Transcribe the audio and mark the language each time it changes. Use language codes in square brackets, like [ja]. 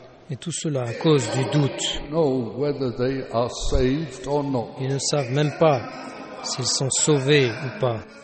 [fr] Et tout cela à cause du doute. [en] Know whether they are saved or not. [fr] Ils ne savent même pas s'ils sont sauvés ou pas.